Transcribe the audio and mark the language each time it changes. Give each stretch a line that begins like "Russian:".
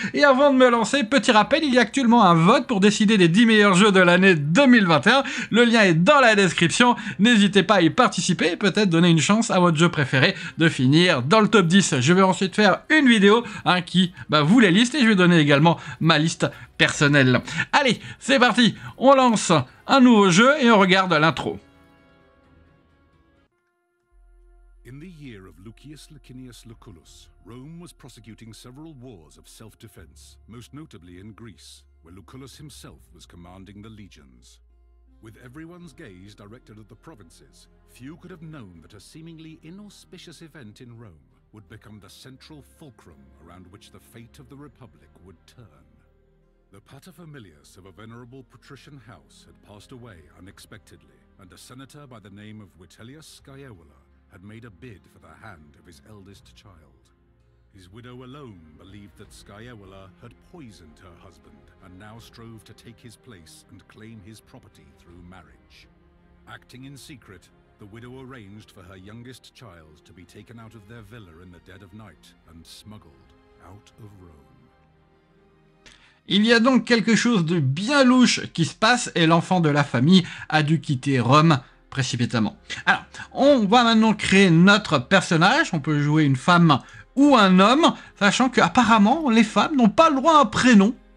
French: Et avant de me lancer, petit rappel, il y a actuellement un vote pour décider des 10 meilleurs jeux de l'année 2021, le lien est dans la description, n'hésitez pas à y participer et peut-être donner une chance à votre jeu préféré de finir dans le top 10. Je vais ensuite faire une vidéo vous les listes et je vais donner également ma liste personnelle. Allez, c'est parti, on lance un nouveau jeu et on regarde l'intro.
English: In the year of Lucius Licinius Lucullus, Rome was prosecuting several wars of self-defense, most notably in Greece, where Lucullus himself was commanding the legions. With everyone's gaze directed at the provinces, few could have known that a seemingly inauspicious event in Rome would become the central fulcrum around which the fate of the Republic would turn. The paterfamilias of a venerable patrician house had passed away unexpectedly, and a senator by the name of Vitellius Scaevola had made a bid for the hand of his eldest child. His widow alone believed that Scaevola had poisoned her husband and now strove to take his place and claim his property through marriage. Acting in secret, the widow arranged for her youngest child to be taken out of their villa in the dead of night and smuggled out of Rome.
French: Il y a donc quelque chose de bien louche qui se passe et l'enfant de la famille a dû quitter Rome précipitamment. Alors, on va maintenant créer notre personnage. On peut jouer une femme ou un homme, sachant que apparemment les femmes n'ont pas le droit à un prénom.